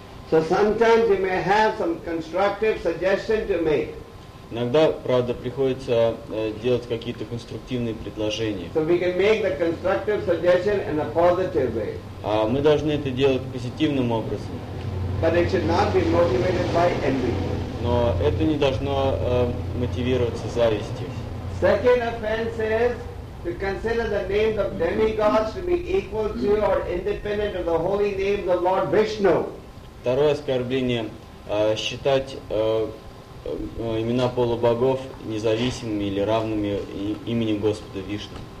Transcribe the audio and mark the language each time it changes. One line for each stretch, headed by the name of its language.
English: So sometimes you may have some constructive suggestion to make.
Russian: Иногда, правда, приходится делать какие-то конструктивные предложения.
English: So we can make the constructive suggestion in a positive way.
Russian: А мы должны это делать позитивным образом.
English: But it should not be motivated by envy.
Russian: Но это не должно мотивироваться завистью.
English: Second offense is to consider the names of demigods to be equal to or independent of the holy names of Lord Vishnu.
Russian: Второе оскорбление считать имена полубогов независимыми или равными имени Господа Вишну.